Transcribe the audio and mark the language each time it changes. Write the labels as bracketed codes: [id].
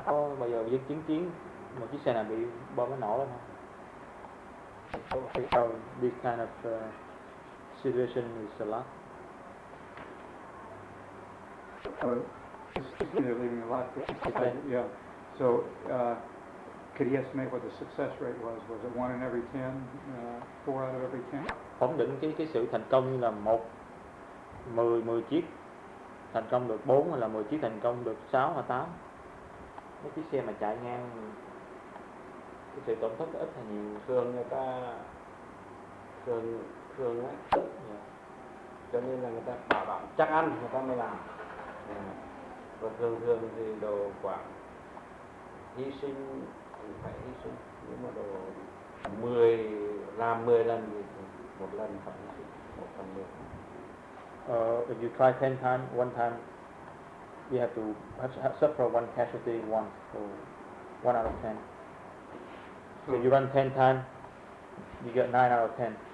[vi] Oh, bây giờ dân chứng kiến một chiếc xe nào bị bom nó nổ lên không? [en] So this kind of situation is a lot. They're leaving a lot. Yeah. So, could he estimate what the success rate was? Was it 1 in every 10? 4 out of every 10? [vi] Phỏng định cái sự thành công là 10 chiếc thành công được 4, hay là 10 chiếc thành công được 6 hay 8. Mấy chiếc xe mà chạy ngang, cái sự tổn thất ít hay nhiều? Thường người ta thường á, cho nên là người ta bảo đảm chắc ăn người ta mới làm. Và thường thì đồ khoảng hy sinh thì phải hy sinh, nếu mà đồ 10 làm 10 lần thì một lần phải hy sinh, một phần 10. [en] If you try 10 times, one time, you have to suffer one casualty once, so 1 out of 10. So you run 10 times, you get 9 out of 10.